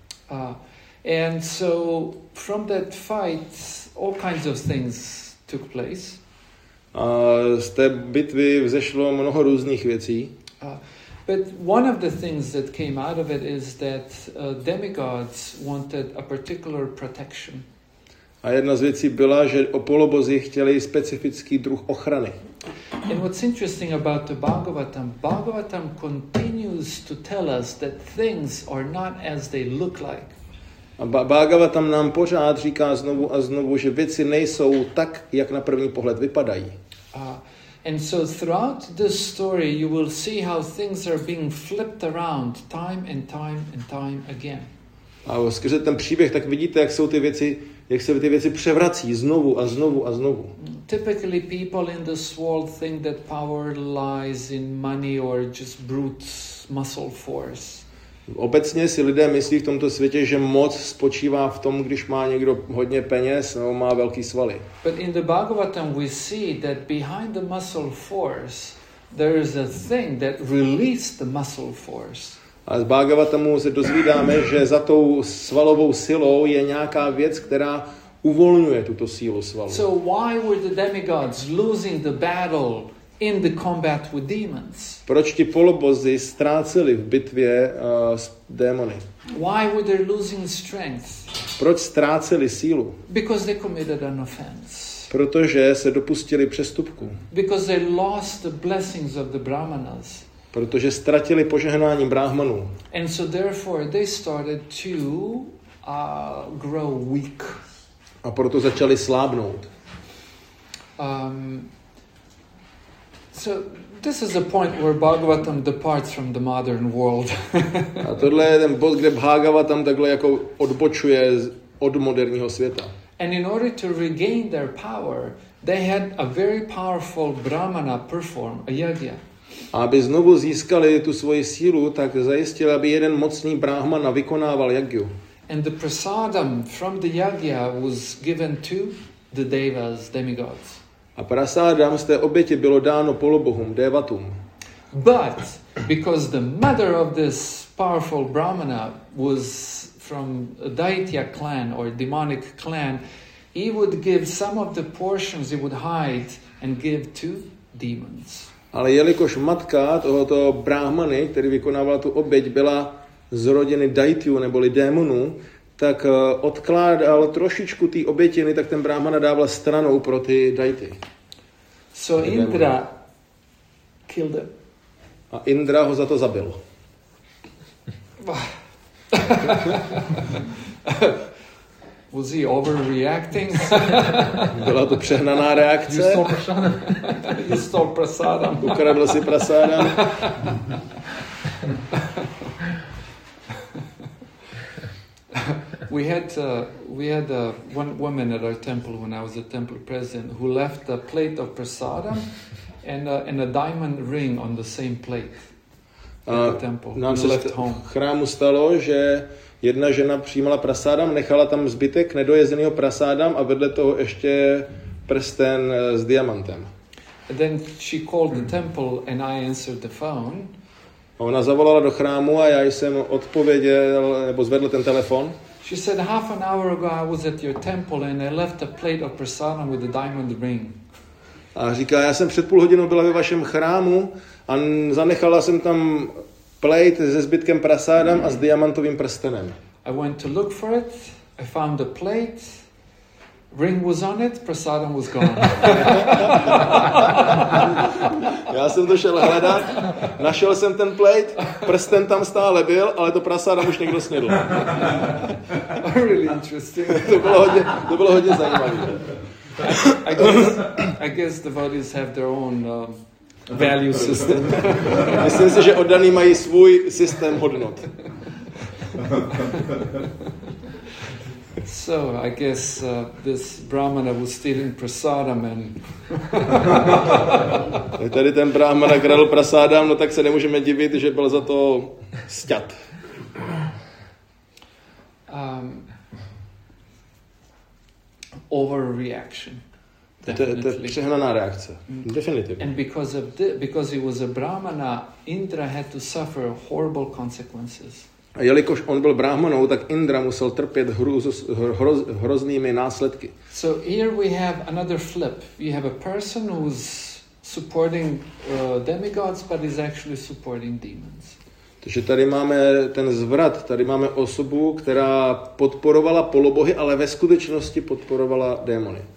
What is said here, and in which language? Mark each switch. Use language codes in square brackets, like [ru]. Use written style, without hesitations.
[en] And so from that fight all kinds of things took place. [cs] A z té bitvy vzešlo mnoho různých věcí. [en] But one of the things that came out of it is that demigods wanted a particular protection. [cs] A jedna z věcí byla, že polobozy chtěli specifický druh ochrany. [en] And what's interesting about the Bhagavatam continues to tell us that things are not as they look like. [cs] A Bhagavatam nám pořád říká znovu a znovu, že věci nejsou tak, jak na první pohled vypadají. [en] And so throughout this story you will see how things are being flipped around time and time and time again. [cs] A skrze ten příběh tak vidíte, jak jsou ty věci, jak se ty věci převrací znovu a znovu a znovu. [en] Typically people in this world think that power lies in money or just brute muscle force. [cs] Obecně si lidé myslí v tomto světě, že moc spočívá v tom, když má někdo hodně peněz nebo má velký svaly. [en] But in the Bhagavatam we see that behind the muscle force there is a thing that releases the muscle force. [cs] A z Bhagavatamu se dozvídáme, že za tou svalovou silou je nějaká věc, která uvolňuje tuto sílu svalu. [en] So why were the demigods losing the battle in the combat with demons? [cs] Proč ti polobozy ztráceli v bitvě s démony? [en] Why were they losing strength? [cs] Proč ztráceli sílu? [en] Because they committed an offense. [cs] Protože se dopustili přestupku. [en] Because they lost the blessings of the brahmanas. [cs] Protože ztratili požehnání brahmanů. [en] And so therefore they started to grow weak. [cs] A proto začali slábnout. [en] So this is the point where Bhagavatam departs from the modern world. [cs] A tohle je ten bod, kde Bhagavatam takhle jako odbočuje od moderního světa. [en] And in order to regain their power, they had a very powerful brahmana perform a yagya. [cs] A aby znovu získali tu svoji sílu, tak zajistili, aby jeden mocný brahmana vykonával yagyu. [en] And the prasadam from the yagya was given to the devas, demigods. [cs] A prasádám z té oběti bylo dáno polobohům, devatům. [en] But because the mother of this powerful brahmana was from a daitya clan or a demonic clan, he would give some of the portions he would hide and give to demons. [cs] Ale jelikož matka tohoto brahmany, který vykonával tu oběť, byla z rodiny daityů neboli démonů, tak odkládal trošičku té obětiny, tak ten brahmana dával stranou pro ty daity. [en] So Indra killed him. [cs] A Indra ho za to zabil. [en] Was he overreacting? [cs] Byla to přehnaná reakce. [en] He stole prasadam. [cs] Ukradl si prasadam. [en] We had one woman at our temple when I was a temple president who left a plate of prasadam and a diamond ring on the same plate at the temple. [cs] Nám se [en] left home. [cs] V chrámu stalo, že jedna žena přijímala prasadam, nechala tam zbytek nedojezeného prasadam a vedle toho ještě prsten s diamantem. [en] And then she called the temple and I answered the phone. [cs] A ona zavolala do chrámu a já jsem odpověděl nebo zvedl ten telefon. [en] She said half an hour ago I was at your temple and I left a plate of prasadam with a diamond ring. [cs] A říká, já jsem před půl hodinou byla ve vašem chrámu a zanechala jsem tam plate se zbytkem prasadam a s diamantovým prstenem. [en] I went to look for it. I found a plate. Ring was on it, prasadam was gone. [cs] Já jsem to šel hledat, našel jsem ten plate, prsten tam stále byl, ale to prasadam už někdo snědl. [en] Really interesting. [cs] To bylo hodně zajímavé. [en] I guess the bodies have their own value system. [cs] Myslím si, že oddaní mají svůj systém hodnot. [en] So I guess this brahmana was stealing prasadam. [cs] Tady ten brahmana kradl prasadam, no tak se nemůžeme divit, že byl za to sťat. [en] Overreaction. [cs] To je přehnaná reakce. Mm. Definitivně. [en] And because he was a brahmana, Indra had to suffer horrible consequences. [cs] A jelikož on byl brahmanou, tak Indra musel trpět hroznými následky. [en] So here we have another flip. We have a person who's supporting demigods, but is actually supporting demons. [cs] Takže tady máme ten zvrat. Tady máme osobu, která podporovala polobohy, ale ve skutečnosti podporovala démony.